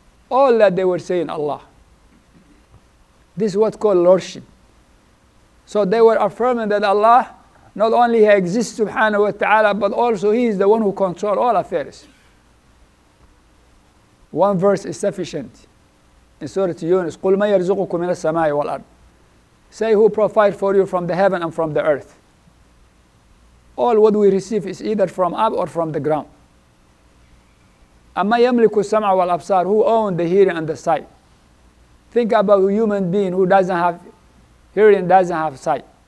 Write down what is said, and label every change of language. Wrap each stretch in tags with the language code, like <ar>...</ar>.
<en>All that they were saying, Allah. This is what's called Lordship. So they were affirming that Allah, not only He exists, subhanahu wa ta'ala, but also He is the one who controls all affairs. One verse is sufficient. In Surah Yunus,</en> <ar>قُلْ مَنْ يَرْزُقُكُمْ مِنَ السَّمَاءِ وَالْأَرْضِ.</ar> <en>Say, who provides for you from the heaven and from the earth. All what we receive is either from up or from the ground.</en> <ar>أَمَّا يَمْلِكُ السَّمْعَ وَالْأَبْصَارِ.</ar> <en>Who owns the hearing and the sight? Think about a human being who doesn't have hearing, doesn't have sight.</en>